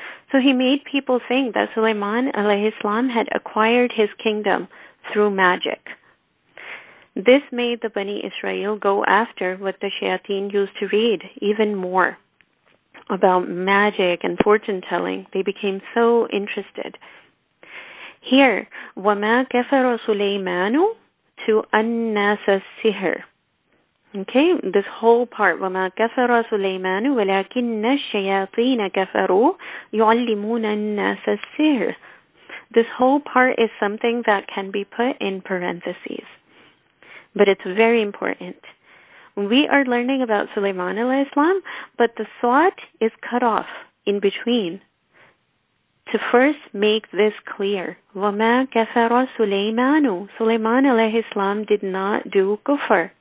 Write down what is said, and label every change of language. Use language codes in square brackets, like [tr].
[en] So he made people think that Sulaiman alayhi salam had acquired his kingdom through magic. This made the Bani Israel go after what the shayateen used to read even more about magic and fortune telling. They became so interested. [ar] Here, وَمَا كَفَرَ سُلَيْمَانُ to أَنَّاسَ السِّحْرِ. [en] Okay, this whole part, [ar] وَمَا كَفَرَ سُلَيْمَانُ وَلَكِنَّ الشَّيَاطِينَ كَفَرُوا يُعَلِّمُونَ النَّاسَ السِّحْرِ. [en] This whole part is something that can be put in parentheses. But it's very important. We are learning about Sulaiman alayhi salam, but the swat is cut off in between. To first make this clear, [ar] وَمَا كَفَرَ سُلَيْمَانُ [en] Sulaiman alayhi salam did not do kufr.